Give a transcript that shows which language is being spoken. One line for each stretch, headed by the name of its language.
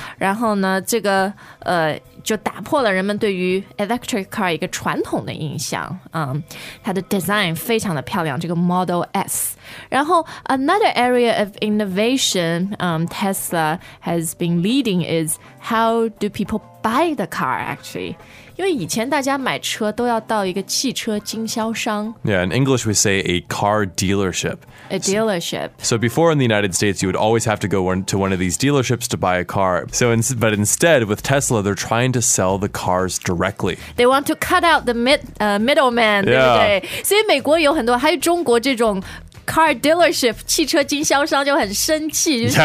Chinese: 然后呢,这个 就打破了人们对于 electric car 一个传统的印象, 它的design非常的漂亮, 这个 Model S. 然后
English: another area of innovation Tesla has been leading is how do people buy the car actually?
Chinese: 因为以前大家买车都要到一个汽车经销商。
English: Yeah, in English we say a car dealership. A dealership. So before in the United States, you would always have to go to one of these dealerships to buy a car. But instead, with Tesla, they're trying to sell the cars directly. They want to cut out the middleman, yeah.
Chinese: 对不对?所以美国有很多, 还有中国这种 car dealership, 汽车经销商就很生气, 就是说,